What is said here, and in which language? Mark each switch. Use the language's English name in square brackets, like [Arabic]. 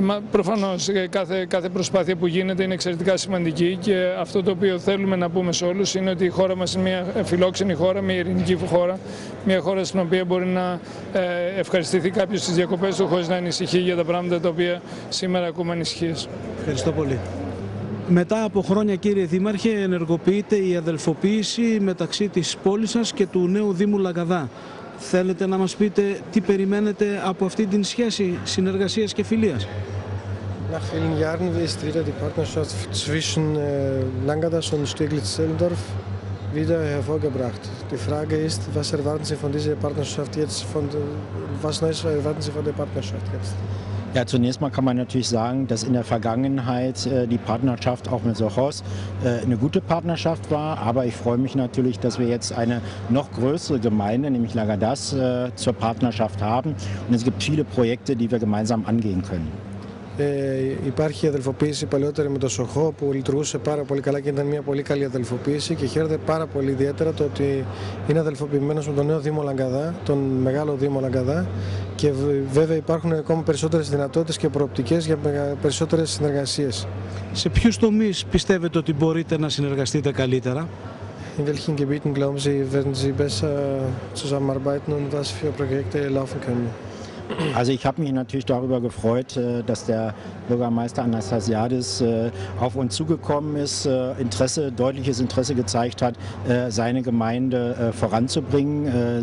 [Greek] Προφανώς, κάθε προσπάθεια που γίνεται είναι εξαιρετικά σημαντική και αυτό το οποίο θέλουμε να πούμε σε όλους είναι ότι η χώρα μας είναι μια φιλόξενη χώρα, μια ειρηνική χώρα, μια χώρα στην οποία μπορεί να ευχαριστηθεί κάποιος στις διακοπές του χωρίς να ανησυχεί για τα πράγματα τα οποία σήμερα ακούμε ανησυχίες. Ευχαριστώ πολύ. Μετά από χρόνια, κύριε Δήμαρχε, ενεργοποιείται η αδελφοποίηση μεταξύ της πόλης σας και του νέου Δήμου Λαγκαδά. Θέλετε να μας πείτε τι περιμένετε από αυτή την σχέση συνεργασίας και φιλίας? [German] Nach vielen Jahren ist wieder die Partnerschaft zwischen Langadas und Steglitz-Zehlendorf wieder hervorgebracht. Die Frage ist, was erwarten Sie von dieser Partnerschaft jetzt, was Neues erwarten Sie von der Partnerschaft jetzt? Ja, zunächst mal kann man natürlich sagen, dass in der Vergangenheit die Partnerschaft auch mit Sochos eine gute Partnerschaft war. Aber ich freue mich natürlich, dass wir jetzt eine noch größere Gemeinde, nämlich Langadas, zur Partnerschaft haben. Und es gibt viele Projekte, die wir gemeinsam angehen können. [Greek] Υπάρχει αδελφοποίηση παλιότερη με το Σοχό που λειτουργούσε πάρα πολύ καλά και ήταν μια πολύ καλή αδελφοποίηση και χαίρεται πάρα πολύ ιδιαίτερα το ότι είναι αδελφοποιημένος με τον νέο Δήμο Λαγκαδά, τον μεγάλο Δήμο Λαγκαδά, και βέβαια υπάρχουν ακόμα περισσότερες δυνατότητες και προοπτικές για περισσότερες συνεργασίες. Σε ποιους τομείς πιστεύετε ότι μπορείτε να συνεργαστείτε καλύτερα? [German] In welchen Gebieten glauben Sie, werden Sie besser zusammenarbeiten und was für Projekte laufen können? Also ich habe mich natürlich darüber gefreut, dass der Bürgermeister Anastasiadis auf uns zugekommen ist, Interesse, deutliches Interesse gezeigt hat, seine Gemeinde voranzubringen.